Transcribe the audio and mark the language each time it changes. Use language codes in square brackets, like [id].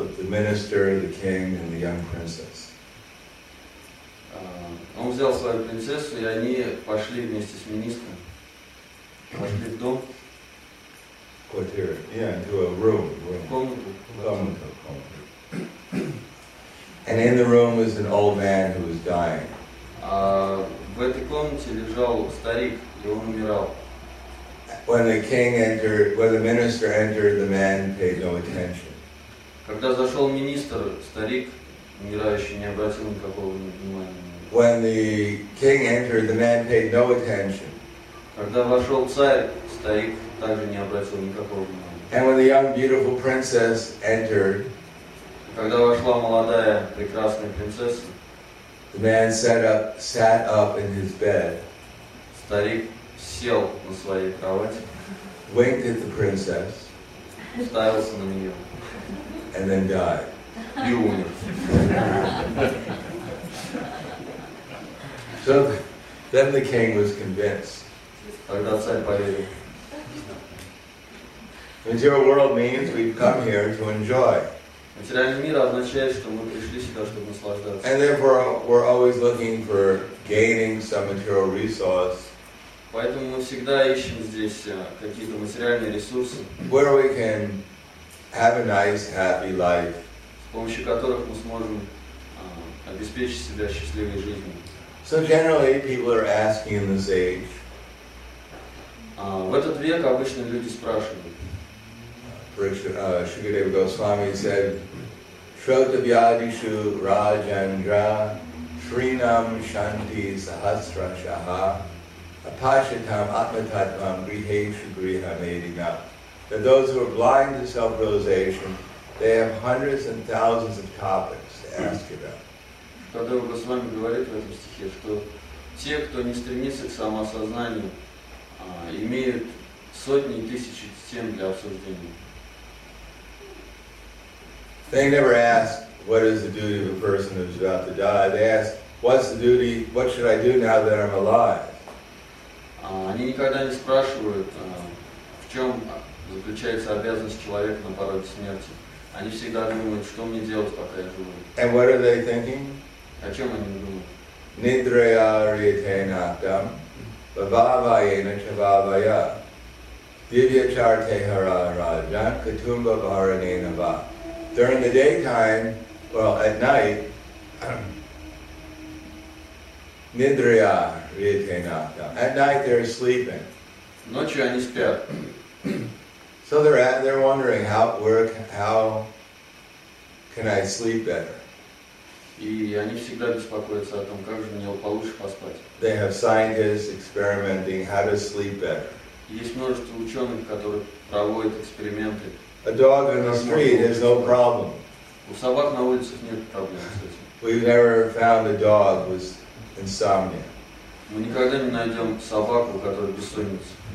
[en] the minister, the king, and the young princess. [ru] Он взял свою принцессу, и они пошли вместе с министром. Пошли в дом. [en] Квартира. Yeah, into a room. [ru] Комнату. [en] And in the room was an old man who was dying. [ru] В этой комнате лежал старик, и он умирал. [en] when the king entered, when the minister entered, the man paid no attention. [ru] Когда зашел министр, старик умирающий не обратил никакого внимания. [en] When the king entered, the man paid no attention. [ru] Когда вошел царь, старик также не обратил никакого внимания. [en] And when the young beautiful princess entered, [ru] когда вошла молодая прекрасная принцесса, [en] the man sat up in his bed. [ru] Старик сел на своей кровати. [en] Winked at the princess. [ru] Уставился на нее. [en] And then died. [ru] И умер. [en] So then the king was convinced. [ru] Тогда царь поверил. [en] Material world means we've come here to enjoy. [ru] Материальный мир означает, что мы пришли сюда, чтобы наслаждаться. [en] And therefore we're always looking for gaining some material resource. [ru] Поэтому мы всегда ищем здесь какие-то материальные ресурсы. [en] Where we can have a nice, happy life. [ru] С помощью которых мы сможем обеспечить себя счастливой жизнью. [en] So generally, people are asking in this age. [ru] В этот век обычно люди спрашивают. [sa] Shukadeva Goswami said, Shrota Vyadishu Rajandra Shrinam Shanti Sahasra Shaha Apashitam Atmatatvam Griheshu Griha Medina. [en] That those who are blind to self-realization, they have hundreds and thousands of topics to ask about. [ru] Шукадева Госвами говорит в этом стихе, что те, кто не стремится к самоосознанию, имеют сотни и тысячи тем для обсуждения. [en] They never ask, what is the duty of a person who's about to die? They ask, what's the duty, what should I do now that I'm alive? [ru] Они никогда не спрашивают, в чем заключается обязанность человека на пороге смерти. Они всегда думают, что мне делать, пока я живу. [en] And what are they thinking? [ru] О чем они думают? [sa] Nidraya rietenaktam, bhavayena chavavaya, divyachartehara rajan, katumba bharanena va. [en] During the daytime, well, at night, [sa] nidraya rietenaktam. [en] At night, they're sleeping. [ru] Ночью они спят. [en] So they're wondering how can I sleep better? [ru] И они всегда беспокоятся о том, как же мне получше поспать. [en] They have scientists experimenting how to sleep better. [ru] Есть множество ученых, которые проводят эксперименты. [en] A dog in the street has no problem. [ru] У собак на улицах нет проблем с этим. [en] We've never found a dog with insomnia. [ru] Мы никогда не найдем собаку, которая бессонница.